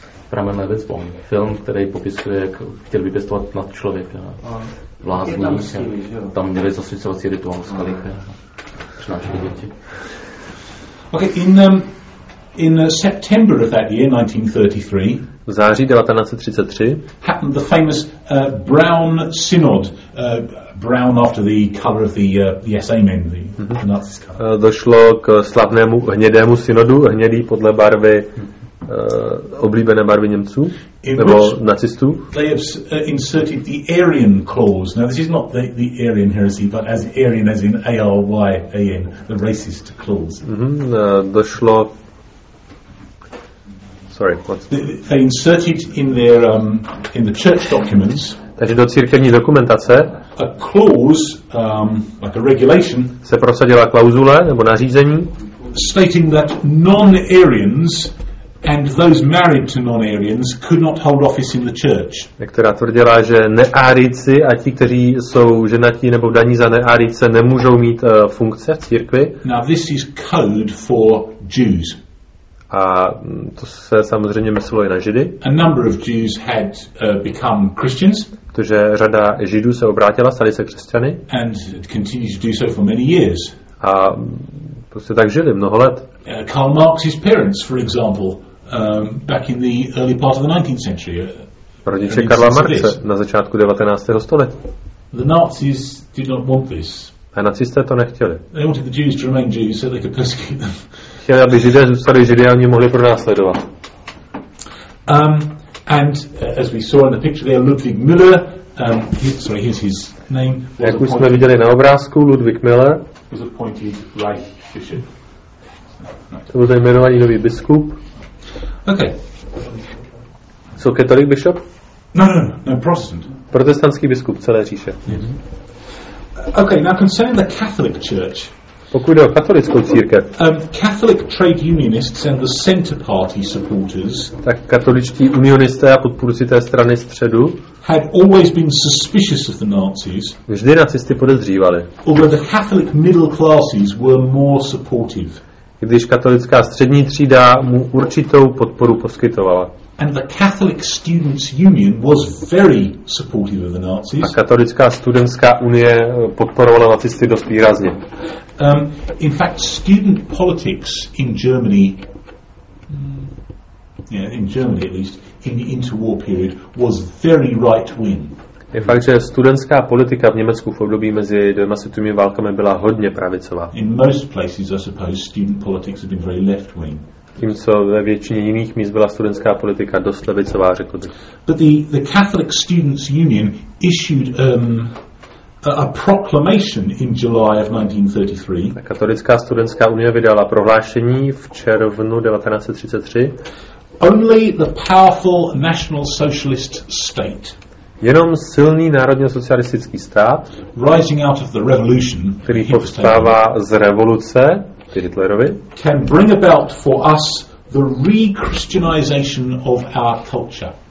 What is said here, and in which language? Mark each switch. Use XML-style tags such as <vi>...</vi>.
<cs>Pramen Levitzbon, film, který popisuje, jak chtěl vypěstovat nad člověka, vlázní, tam měli zasvěcovací rituál z kalicha, přinášeli děti.</cs> <en>Okay, in September of that year, 1933,</en> <cs>v září 1933</cs> <en>happened the famous Brown Synod, brown after the color of the SA men, the Nazis color.</en> <cs>Došlo k slavnému hnědému synodu, hnědý podle barvy oblíbené barvy Němců nebo nacistů.</cs> <en>They have inserted the Arian clause. Now this is not the Arian heresy, but as Arian as in A-R-Y-A-N, the racist clause.</en> <cs>Došlo.</cs> <en>Sorry, they inserted in their in the church documents.</en> <cs>Takže do církevní dokumentace.</cs> <en>A clause, like a regulation.</en> <cs>Se prosadila klauzule nebo nařízení.</cs> <en>Stating that non-Arians and those married to non-Arians could not hold office in the church.</en> <cs>Která tvrdila, že neárici a ti, kteří jsou ženatí nebo daní za neárice, nemůžou mít funkce v církvi.</cs> <en>Now this is code for Jews.</en> <cs>A to se samozřejmě myslelo i na Židy.</cs> <en>A number of Jews had become Christians.</en> <cs>Protože řada Židů se obrátila, stali se křesťany.</cs> <en>And continued to do so for many years.</en> <cs>A prostě tak žili mnoho let.</cs> <en>Karl Marx's parents, for example, back in the early part of the 19th century.</en> <cs>Rodiče Karla Marxe na začátku 19. století.</cs> <en>The Nazis did not want this.</en> <cs>A nacisté to nechtěli.</cs> <en>They wanted the Jews to remain Jews so they could persecute them.</en> <cs>Chtěli, aby Židé zůstali Židé a oni mohli pronásledovat.</cs> <en>And as we saw in the picture there, Ludwig Müller, here's his name.</en> <cs>Jak už jsme viděli na obrázku, Ludwig Müller.</cs> <en>Was appointed Reich Bishop.</en> <cs>To byl jmenovaný nový biskup.</cs> <en>Okay.</en> <cs>Jsou katolik biskup?</cs> <en>No, Protestant.</en> <cs>Protestantský biskup celé říše. Mm-hmm.</cs> <en>Okay, now concerning the Catholic Church.</en> <cs>Pokud jde o katolickou církev.</cs> <en>Catholic trade unionists and the center party supporters.</en> <cs>Tak katoličtí unionisté a podpůrci té strany středu.</cs> <en>Had always been suspicious of the Nazis.</en> <cs>Vždy nacisty podezřívali.</cs> <en>Although the Catholic middle classes were more supportive.</en> <cs>Když katolická střední třída mu určitou podporu poskytovala.</cs> <en>And the Catholic Students Union was very supportive of the Nazis.</en> <cs>A katolická studentská unie podporovala nacisty dost výrazně.</cs> <en>In fact, student politics in Germany, in Germany at least, in the interwar period, was very right-wing.</en> <cs>Je fakt, že studentská politika v Německu v období mezi dvěma světovými válkami byla hodně pravicová.</cs> <en>In most places, I suppose, student politics have been very left-wing.</en> <cs>Tímco ve většině jiných míst byla studentská politika dost levicová, řekl bych.</cs> <en>But the Catholic Students Union issued a proclamation in July of 1933.</en> <cs>Katolická studentská unie vydala prohlášení v červnu 1933.</cs> <en>Only the powerful National Socialist State.</en> <cs>Jenom silný národně socialistický stát, rising out of the revolution, který povstává z revoluce, ty Hitlerovi,</cs> <en>can bring about for us the re-christianization of our culture.</en>